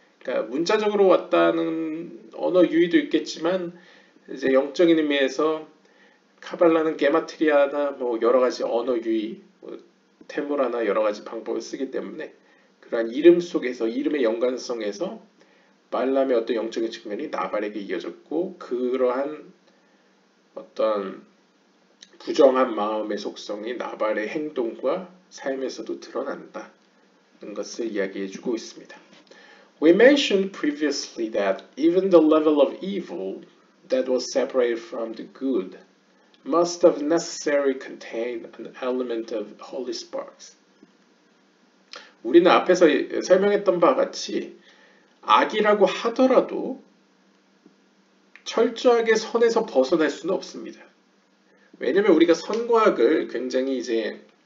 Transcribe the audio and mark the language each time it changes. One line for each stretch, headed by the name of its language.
Korean: 그러니까 문자적으로 왔다는 언어 유의도 있겠지만 이제 영적인 의미에서 카발라는 게마트리아나 뭐 여러 가지 언어 유의 테무라나 여러 가지 방법을 쓰기 때문에 그러한 이름 속에서 이름의 연관성에서 발람의 어떤 영적인 측면이 나발에게 이어졌고 그러한 어떤 부정한 마음의 속성이 나발의 행동과 삶에서도 드러난다는 것을 이야기해주고 있습니다.
English: We mentioned previously that even the level of evil that was separated from the good must have necessarily contained an element of holy sparks.
Korean: 우리는 앞에서 설명했던 바와 같이 악이라고 하더라도 철저하게 선에서 벗어날 수는 없습니다. 왜냐하면 우리가 선과 악을 굉장히 이제